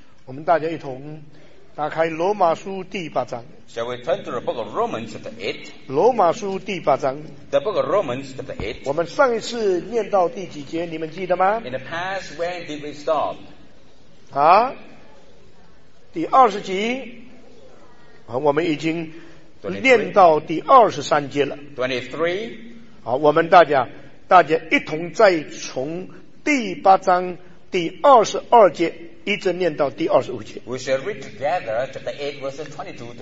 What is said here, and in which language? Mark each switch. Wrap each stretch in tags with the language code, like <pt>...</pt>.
<zh>我们大家一同打开罗马书第八章。</zh> <en>Shall we turn to the book of Romans chapter 8?</en> <zh>罗马书第八章。</zh> <en>The book of Romans chapter 8.</en> <zh>我们上一次念到第几节你们记得吗？</zh> <en>In the past, when did we stop?</en> <zh>啊？第二十集。好，我们已经念到第二十三节了。</zh> <en>23.</en> <zh>好，我们大家一同再从第八章第二十二节一直念到第二十五节。</zh> <en>We shall read together chapter 8 verses 22 to 25.</en>